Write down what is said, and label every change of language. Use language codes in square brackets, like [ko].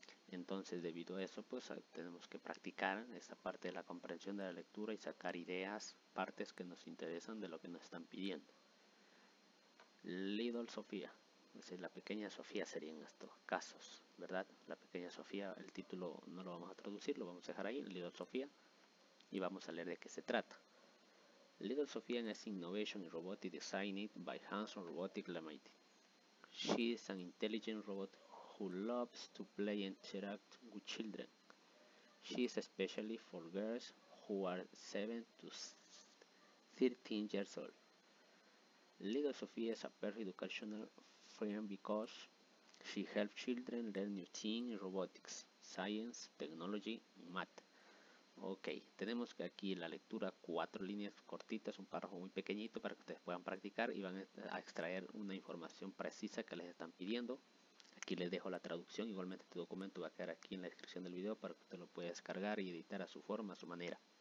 [es] Entonces, debido a eso, pues tenemos que practicar esta parte de la comprensión de la lectura y sacar ideas, partes que nos interesan de lo que nos están pidiendo. Little Sofía, es decir, la pequeña Sofía sería en estos casos, ¿verdad? La pequeña Sofía, el título no lo vamos a traducir, lo vamos a dejar ahí, Little Sofía, y vamos a leer de qué se trata. [en] Little Sofía is innovation in robotics designed by Hanson Robotics Limited. She is an intelligent robot who loves to play and interact with children. She is especially for girls who are 7 to 13 years old. Little Sofía is a perfect educational friend because she helps children learn new things in robotics, science, technology, math. [es] Ok, tenemos que aquí la lectura, cuatro líneas cortitas, un párrafo muy pequeñito para que ustedes puedan practicar y van a extraer una información precisa que les están pidiendo. Aquí les dejo la traducción, igualmente este documento va a quedar aquí en la descripción del video para que usted lo pueda descargar y editar a su forma, a su manera.